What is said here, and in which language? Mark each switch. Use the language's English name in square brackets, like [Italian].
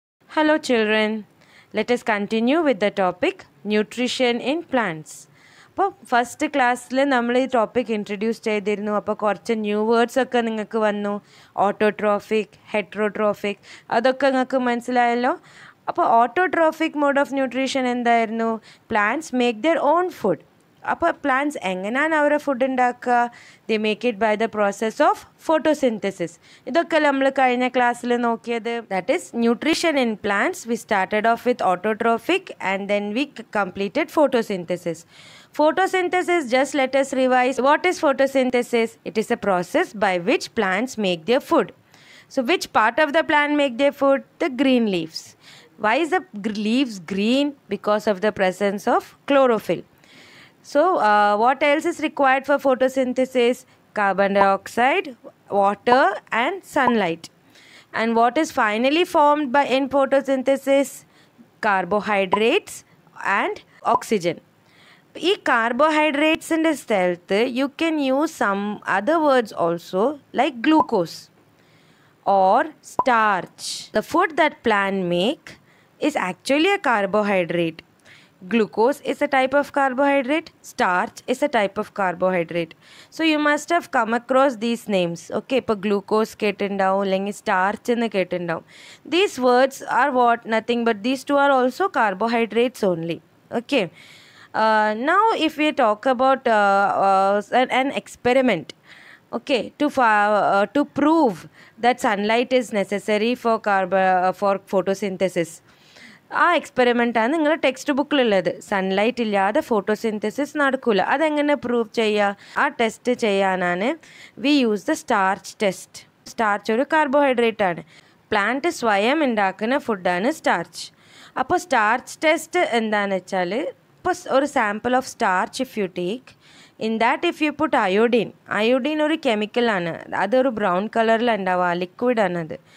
[English] Hello children, let us continue with the topic nutrition in plants. [Malayalam] അപ്പോൾ first ക്ലാസ്സിൽ നമ്മൾ ഈ ടോപ്പിക് ഇൻട്രൊഡ്യൂസ് ചെയ്തിരുന്നു. അപ്പോൾ കുറച്ച് ന്യൂ വേർഡ്സ് ഒക്കെ നിങ്ങൾക്ക് വന്നു, ഓട്ടോട്രോഫിക്, ഹെട്രോട്രോഫിക്, അതൊക്കെ നിങ്ങൾക്ക് മനസ്സിലായല്ലോ. അപ്പോൾ ഓട്ടോട്രോഫിക് മോഡ് ഓഫ് ന്യൂട്രീഷൻ എന്തായിരുന്നു? [English] Plants make their own food. [Malayalam] അപ്പോൾ പ്ലാന്റ്സ് എങ്ങനെയാണ് അവരെ ഫുഡ് ഉണ്ടാക്കുക? [English] They make it by the process of photosynthesis. [Malayalam] ഇതൊക്കെ നമ്മൾ കഴിഞ്ഞ ക്ലാസ്സിൽ നോക്കിയത്. [English] That is nutrition in plants. We started off with autotrophic and then we completed photosynthesis. Photosynthesis, just let us revise. What is photosynthesis? It is a process by which plants make their food. So which part of the plant make their food? The green leaves. Why is the leaves green? Because of the presence of chlorophyll. So what else is required for photosynthesis? Carbon dioxide, water and sunlight. And what is finally formed by in photosynthesis? Carbohydrates and oxygen. [Malayalam] ഈ കാർബോഹൈഡ്രേറ്റ്സിൻ്റെ സ്ഥലത്ത് [English] You can use some other words also, like glucose or starch. The food that plant make is actually a carbohydrate. Glucose is a type of carbohydrate, starch is a type of carbohydrate. So you must have come across these names. [Malayalam] Okay, ഇപ്പോൾ glucose കേട്ടിട്ടുണ്ടാവും, അല്ലെങ്കിൽ starch എന്ന് കേട്ടിട്ടുണ്ടാവും. [English] These words are what? Nothing but these two are also carbohydrates only. Okay, now if we talk about an experiment, okay, to prove that sunlight is necessary for for photosynthesis, [Malayalam] ആ experiment ആണ് നിങ്ങളെ text ബുക്കിലുള്ളത്. Sunlight ഇല്ലാതെ photosynthesis നടക്കില്ല. അതെങ്ങനെ prove ചെയ്യുക? ആ test ചെയ്യാനാണ് [English] We use the starch test. [Malayalam] Starch ഒരു കാർബോഹൈഡ്രേറ്റ് ആണ്. പ്ലാന്റ് സ്വയം ഉണ്ടാക്കുന്ന ഫുഡാണ് സ്റ്റാർച്ച്. അപ്പോൾ സ്റ്റാർച്ച് ടെസ്റ്റ് എന്താണെന്ന് വെച്ചാൽ, ഇപ്പോൾ ഒരു sample of starch [English] if you take in that, if you put iodine, [Malayalam] അയോഡീൻ ഒരു കെമിക്കലാണ്, അതൊരു ബ്രൗൺ കളറിൽ ഉണ്ടാവുക, ആ ലിക്വിഡാണ് അത്.